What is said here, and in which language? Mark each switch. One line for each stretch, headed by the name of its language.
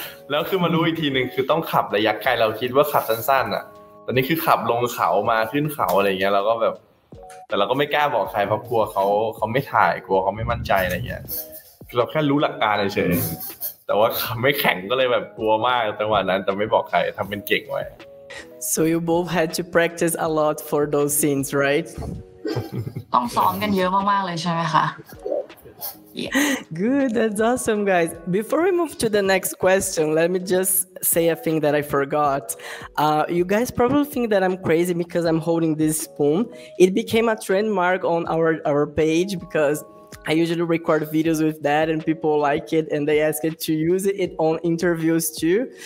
Thai: แล้วคือมารู้อีกทีนึงคือต้องขับระยะไกลเราคิดว่าขับสั้นๆอ่ะตอนนี้คือขับลงเขามาขึ้นเขาอะไรเงี้ยเราก็แบบแต่เราก็ไม่กล้าบอกใครเพราะกลัวเขาไม่ถ่ายกลัวเขาไม่มั่นใจอะไรเงี้ยเราแค่รู้หลักการเฉยแต่ว่าไม่แข็งก็เลยแบบกลัวมากจังหวะนั้นแต่ไม่บอกใครทำเป็นเก่งไว้
English: So you both had to practice a lot for those scenes right
Thai: ต้องซ้อมกันเยอะมากๆเลยใช่ไหมคะ
English: Yeah. Good, that's awesome, guys. Before we move to the next question, let me just say a thing that I forgot. You guys probably think that I'm crazy because I'm holding this spoon. It became a trademark on our page because I usually record videos with that and people like it and they ask it to use it on interviews too.